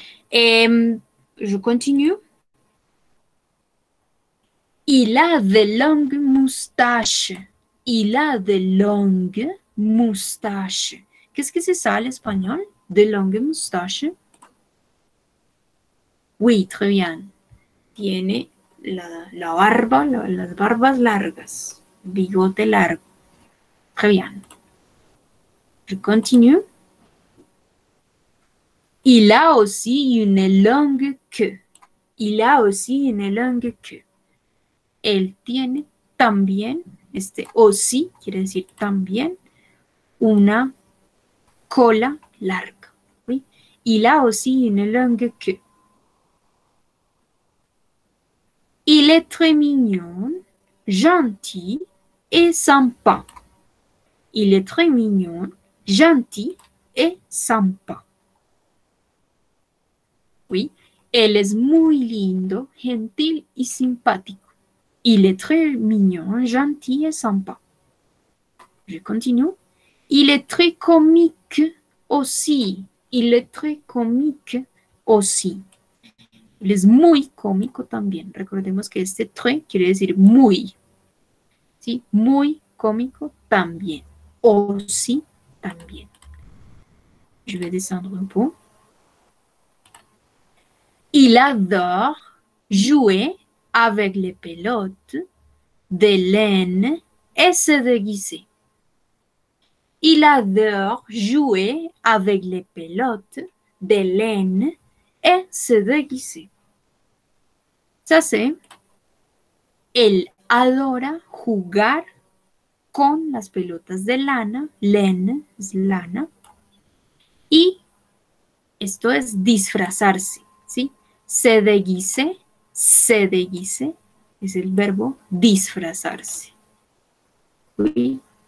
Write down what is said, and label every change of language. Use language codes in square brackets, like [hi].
[fr] Je continue. Il a de longues moustaches. Il a de longues moustaches. Qu'est-ce que c'est ça, l'espagnol? De longues moustaches? Oui, très bien. [es] Tiene la barba, las barbas largas. Bigote largo. [fr] Très bien. Je continue. Il a aussi une longue queue. Il a aussi une longue queue. [es] Elle tiene también, aussi, quiere decir también, una cola larga. [fr] Oui. Il a aussi une longue queue. Il est très mignon, gentil et sympa. Il est très mignon, gentil et sympa. Oui, elle est [es] muy lindo, [fr] gentil et sympathique. Il est très mignon, gentil et sympa. Je continue. Il est très comique aussi. Il est très comique aussi. Il est [es] muy cómico también. Recordemos que este très quiere decir muy. ¿Sí? Muy cómico también. Aussi también. [fr] Je vais descendre un peu. Il adore jouer avec les pelotes de laine et se déguiser. Il adore jouer avec les pelotes de laine et se déguiser. Ça c'est, [es] elle adora jugar con las pelotas de lana, laine, es lana, y esto es disfrazarse, ¿sí? [fr] Se déguiser, se déguiser, [es] es el verbo disfrazarse. Oui.